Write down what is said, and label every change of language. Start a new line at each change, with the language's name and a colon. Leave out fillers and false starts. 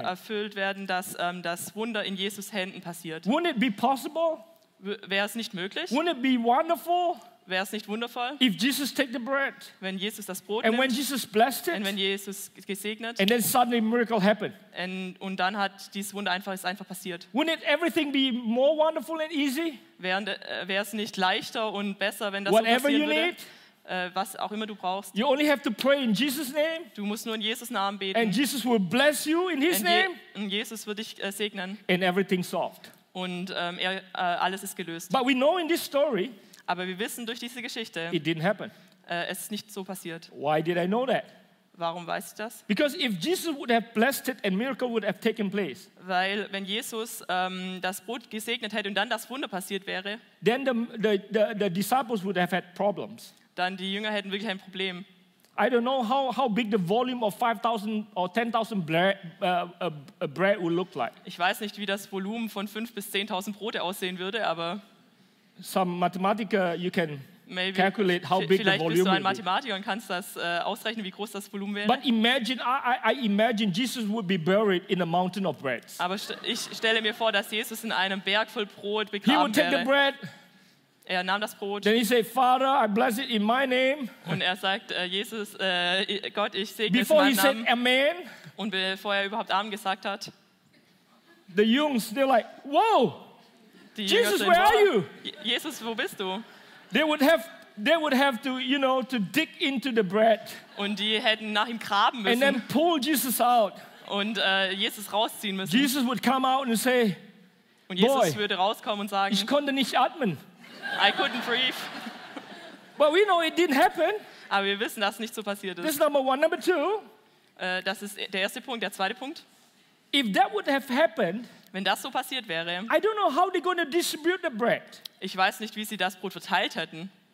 German: Erfüllt werden, dass das Wunder in Jesus' Händen passiert.
English: Wouldn't it be possible?
German: Wäre es nicht möglich?
English: Wouldn't it be wonderful?
German: Wäre es nicht wundervoll?
English: If Jesus take the bread,
German: wenn Jesus das Brot
English: and
German: nimmt,
English: when Jesus blessed it,
German: und wenn Jesus gesegnet,
English: and then suddenly a miracle happened,
German: und dann hat dieses Wunder einfach passiert.
English: Wouldn't everything be more wonderful and easy?
German: Wäre es nicht leichter und besser, wenn das
English: whatever
German: so passieren würde?
English: Need,
German: was auch immer du brauchst.
English: You only have to pray in Jesus' name.
German: Du musst nur in Jesus Namen beten.
English: And Jesus will bless you in His name.
German: Und Jesus wird dich segnen.
English: And everything solved.
German: Und alles ist gelöst.
English: But we know in this story.
German: Aber wir wissen durch diese Geschichte,
English: it didn't happen.
German: Es ist nicht so passiert.
English: Why did I know that?
German: Warum weiß ich das?
English: Because if Jesus would have blessed it and miracle would have taken place.
German: Weil wenn Jesus das Brot gesegnet hätte und dann das Wunder passiert wäre,
English: then the disciples would have had problems.
German: Dann die Jünger hätten wirklich ein Problem.
English: I don't know how big the volume of 5,000 or 10,000 bread would look like.
German: Ich weiß nicht, wie das Volumen von 5 bis 10.000 Brote aussehen würde, aber
English: some mathematiker you can maybe calculate how big
German: vielleicht bist du ein Mathematiker und kannst das ausrechnen, wie groß das Volumen wäre.
English: But imagine I imagine Jesus would be buried in a mountain of bread.
German: Aber ich stelle mir vor, dass Jesus in einem Berg voll Brot begraben wäre.
English: He would take the bread.
German: Er nahm das Brot.
English: Then he said, "Father, I bless it in my name."
German: Und er sagt, Jesus, Gott, ich segne
English: before
German: es in meinem Namen.
English: Before he said amen.
German: Und bevor er überhaupt Amen gesagt hat.
English: The Jungs, they're like, "Whoa!" Jesus,
German: sind,
English: where are you?
German: Jesus, wo bist du?
English: They would have to, you know, to dig into the bread.
German: Und die hätten nach ihm graben müssen.
English: And then pull Jesus out.
German: Und Jesus rausziehen müssen.
English: Jesus would come out and say,
German: und Jesus
English: "Boy,
German: würde rauskommen und sagen, ich konnte nicht atmen."
English: I couldn't breathe. But we know it didn't happen.
German: Aber wir wissen, dass nicht so passiert ist.
English: This is number one, number two.
German: Das ist der erste Punkt. Der zweite Punkt.
English: If that would have happened.
German: Wenn das so passiert wäre.
English: I don't know how they're going to distribute the bread.
German: Ich weiß nicht, wie sie das Brot verteilt hätten.